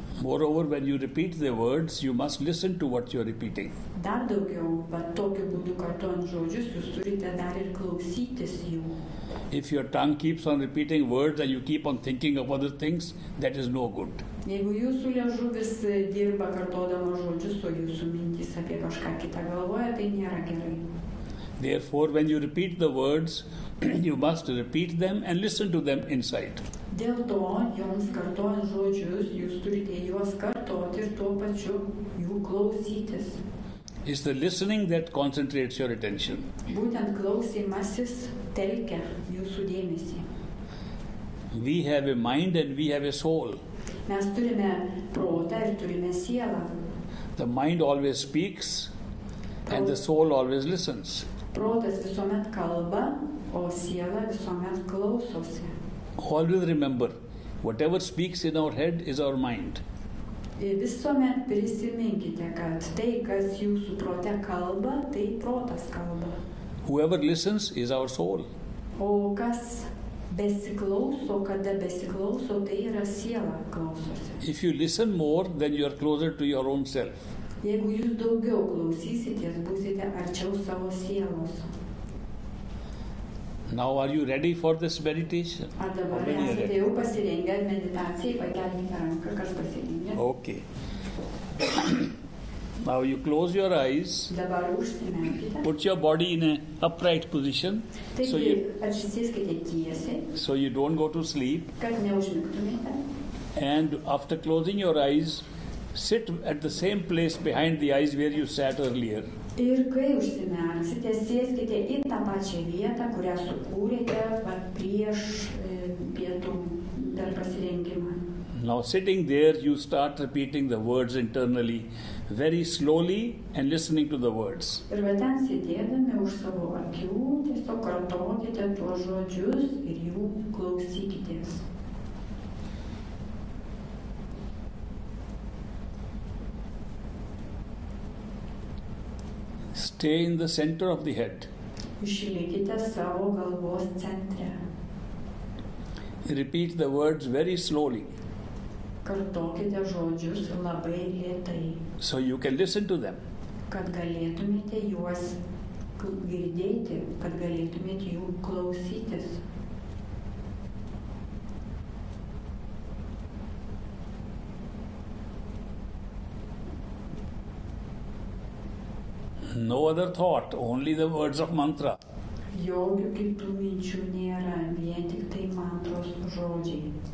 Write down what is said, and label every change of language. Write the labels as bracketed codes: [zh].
[en] Moreover, when you repeat the words, you must listen to what you are repeating. [lt] Dar daugiau, bet tokiu būdu kartojant žodžius, jūs turite dar ir klausytis jų. [en] If your tongue keeps on repeating words and you keep on thinking of other things, that is no good. [lt] Jeigu jūsų liežuvis dirba kartodamas žodžius, o jūsų mintys apie kažką kitą galvoja, tai nėra gerai. [en] Therefore, when you repeat the words, you must repeat them and listen to them inside. [lt] Dėl to, jums kartojant žodžius, jūs turite juos kartoti ir tuo pačiu jų klausytis. [en] It's the listening that concentrates your attention. [lt] Būtent klausymasis telkia jūsų dėmesį. [en] We have a mind and we have a soul. [lt] Mes turime protą ir turime sielą. [en] The mind always speaks and the soul always listens. [lt] Protas visuomet kalba, o siela visuomet klausosi. [en] Always remember, whatever speaks in our head is our mind. [lt] Visuomet prisiminkite, kad tai, kas jūsų prote kalba, tai protas kalba. [en] Whoever listens is our soul. [lt] O kas Besiklauso, kada besiklauso, tai yra siela klausosi. [en] If you listen more, then you are closer to your own self. [lt] Jeigu jūs daugiau klausysitės, būsite arčiau savo sielos. [en] Now are you ready for this meditation? [lt] A dabar esate jau pasirengę meditacijai, pakelkite ranką, kas pasirengė. [en] Okay. Now you close your eyes, [lt] dabar užsimerkite. [en] Put your body in an upright position, [lt] taigi, so, atsisėskite tiesiai, [en] so you don't go to sleep, [lt] kad neužmigtumėte. [en] And after closing your eyes, sit at the same place behind the eyes where you sat earlier. [lt] Ir kai užsimerksite, sėskite į tą pačią vietą, kurią sukūrėte prieš pietų dar pasirengimą. [en] Now sitting there, you start repeating the words internally, very slowly, and listening to the words. [lt] Ir va ten sėdėdami už savo akių, tiesiog kartokite tuos žodžius ir jų klausykitės. [en] Stay in the center of the head. [lt] Išlikite savo galvos centre. [en] Repeat the words very slowly. [lt] Kartokite žodžius labai lėtai. [en] So you can listen to them. [lt] Kad galėtumėte juos girdėti, kad galėtumėte jų klausytis. [en] No other thought, only the words of mantra. [lt] Jokių kitų minčių nėra, vien tik tai mantros žodžiai.